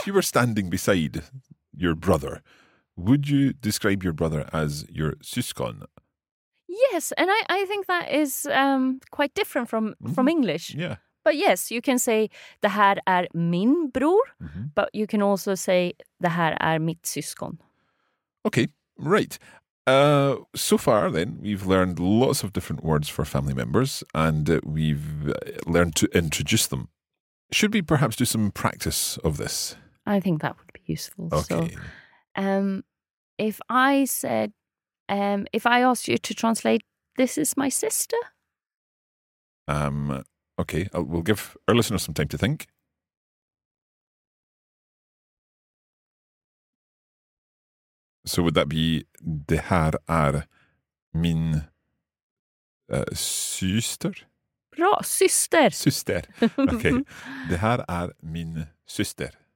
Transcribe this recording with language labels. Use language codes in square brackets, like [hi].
[en] If you were standing beside your brother, would you describe your brother as your syskon? Yes, and I think that is quite different from English. Yeah. But yes, you can say [sv] det här är min bror, [en] but you can also say [sv] det här är mitt syskon. [en] Okay, right. So far then, we've learned lots of different words for family members and we've learned to introduce them. Should we perhaps do some practice of this? I think that would be useful. Okay. So, if I said, if I asked you to translate, this is my sister? Okay, we'll give our listeners some time to think. So would that be [sv] det här är min syster? Bra, syster. Syster. Okay, det här är min syster.